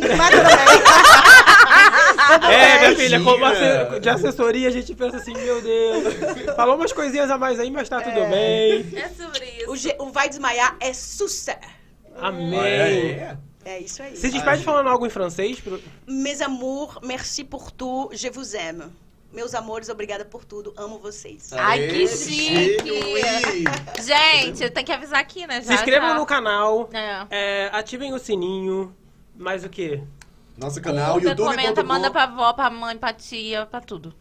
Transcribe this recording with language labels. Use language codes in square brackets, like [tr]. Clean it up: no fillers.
[pt] Mas tudo bem. É, minha filha, como de assessoria, a gente pensa assim, meu Deus. Falou umas coisinhas a mais aí, mas tá tudo bem. É sobre isso. O Vai Desmaiar é sucesso. Amém. É isso aí. Você despede falando algo em francês? Pro... [fr] Mes amours, merci pour tout, je vous aime. [pt] Meus amores, obrigada por tudo, amo vocês. Ai, que chique! Gente, eu tenho que avisar aqui, né? Já, se inscrevam no canal, ativem o sininho, mais o quê? Nosso canal, YouTube. Você comenta, manda pra avó, pra mãe, pra tia, pra tudo.